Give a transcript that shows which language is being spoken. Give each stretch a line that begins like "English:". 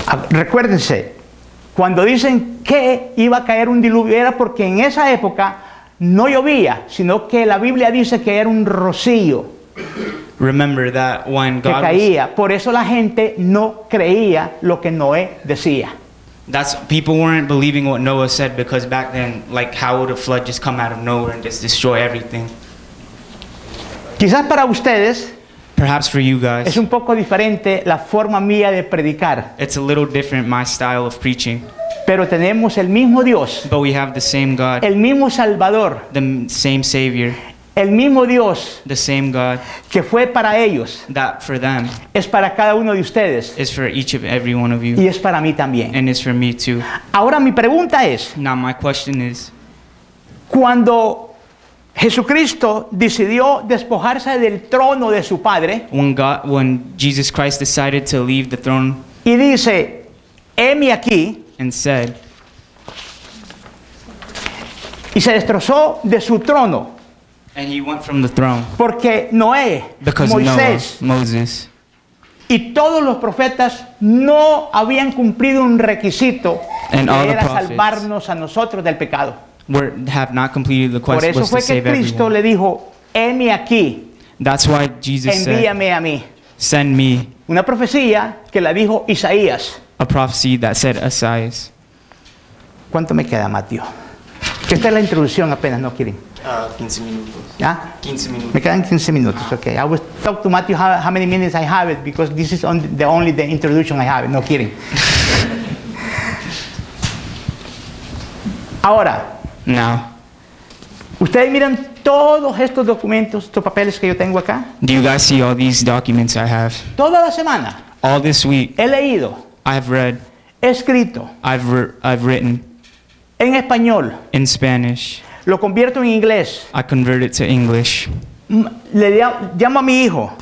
Spanish: Recuérdense, cuando dicen que iba a caer un diluvio, era porque en esa época no llovía, sino que la Biblia dice que era un rocío.
English: Remember that when God
Spanish: que caía, por eso la gente no creía lo que Noé decía.
English: That's people weren't believing what Noah said because back then, like, how would a flood just come out of nowhere and just destroy everything?
Spanish: Quizás para ustedes,
English: perhaps for you guys,
Spanish: es un poco diferente la forma mía de predicar.
English: It's a little different my style of preaching.
Spanish: Pero tenemos el mismo Dios,
English: but we have the same God,
Spanish: el mismo Salvador,
English: the same Savior,
Spanish: el mismo Dios,
English: the same God,
Spanish: que fue para ellos,
English: that for them,
Spanish: es para cada uno de ustedes,
English: is for each of every one of you,
Spanish: y es para mí también,
English: and it's for me too.
Spanish: Ahora mi pregunta es,
English: now my question is,
Spanish: cuando Jesucristo decidió despojarse del trono de su padre,
English: when Jesus Christ decided to leave the throne,
Spanish: y dice, heme aquí,
English: and said,
Spanish: y se destrozó de su trono.
English: And he went from the throne.
Spanish: Porque Noé,
English: because
Spanish: Moisés,
English: Noah, Moses,
Spanish: Y todos los profetas no habían cumplido un requisito que era salvarnos a nosotros del pecado.
English: Have not completed the quest.
Spanish: Por eso fue que Cristo le dijo, heme aquí.
English: That's why Jesus
Spanish: envíame
English: said,
Spanish: a mí.
English: Send me.
Spanish: Una profecía que la dijo Isaías.
English: A prophecy that said Isaías.
Spanish: ¿Cuánto me queda, Mateo? Que esta es la introducción apenas, no quieren. 15 minutos. Me quedan 15 minutos,
English: okay. I will talk to Matthew how many minutes I have it, because this is the introduction I have. No kidding.
Spanish: Ahora.
English: Now.
Spanish: ¿Ustedes miran todos estos documentos, estos papeles que yo tengo acá?
English: Do you guys see all these documents I have?
Spanish: Toda la semana.
English: All this week.
Spanish: He leído.
English: I've read.
Spanish: He escrito.
English: I've written.
Spanish: En español.
English: In Spanish.
Spanish: Lo convierto en inglés.
English: I convert it to English.
Spanish: Le llamo a mi hijo.